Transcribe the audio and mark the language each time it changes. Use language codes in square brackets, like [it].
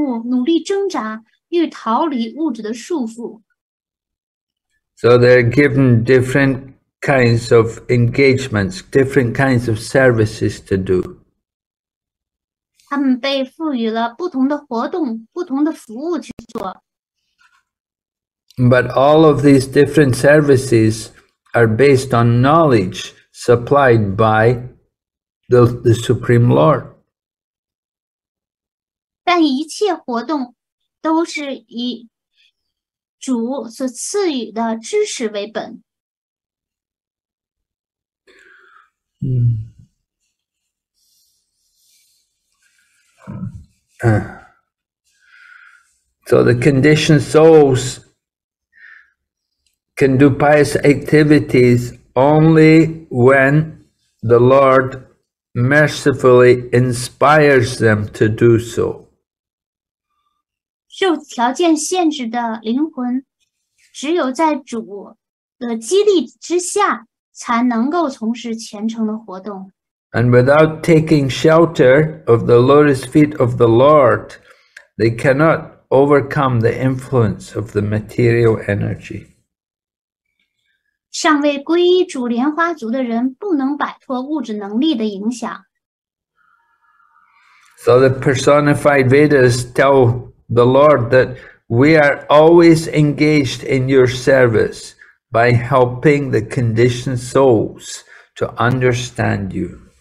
[zh] 受条件限制的生物努力挣扎欲逃离物质的束缚。 [en] So they're given different kinds of engagements, different kinds of services to do. [zh] 他们被赋予了不同的活动，不同的服务去做。 [en] But all of these different services are based on knowledge supplied by the Supreme Lord. [zh] 但一切活动都是以主所赐予的知识为本。 [en] So the conditioned souls can do pious activities only when the Lord mercifully inspires them to do so. [zh] 受条件限制的灵魂只有在主的激励之下才能够从事虔诚的活动。 [en] And without taking shelter of the lotus feet of the Lord, they cannot overcome the influence of the material energy. [zh] 尚未皈依主莲花族的人不能摆脱物质能力的影响。 [en] So the personified Vedas tell the Lord that we are always engaged in your service by helping the conditioned souls to understand you.